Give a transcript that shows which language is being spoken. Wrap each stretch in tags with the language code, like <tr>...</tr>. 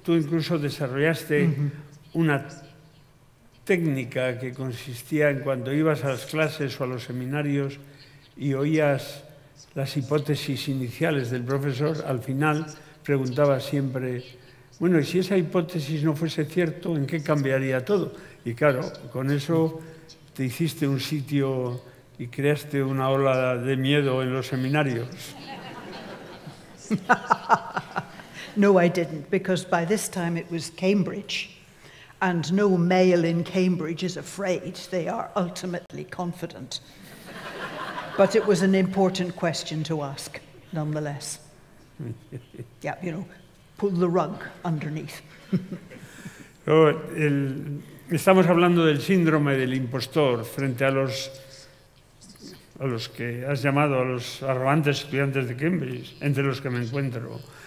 <es>Tú incluso desarrollaste una técnica que consistía en cuando ibas a las clases o a los seminarios y oías las hipótesis iniciales del profesor, al final preguntabas siempre, bueno, y si esa hipótesis no fuese cierto, ¿en qué cambiaría todo? Y claro, con eso... te hiciste un sitio y creaste una ola de miedo en los seminarios.</es> <en>No, I didn't, because by this time it was Cambridge, and no male in Cambridge is afraid. They are ultimately confident. But it was an important question to ask, nonetheless. Yeah, you know, pull the rug underneath.</en> <es>Estamos hablando del síndrome del impostor frente a los que has llamado a los arrogantes estudiantes de Cambridge, entre los que me encuentro.</es>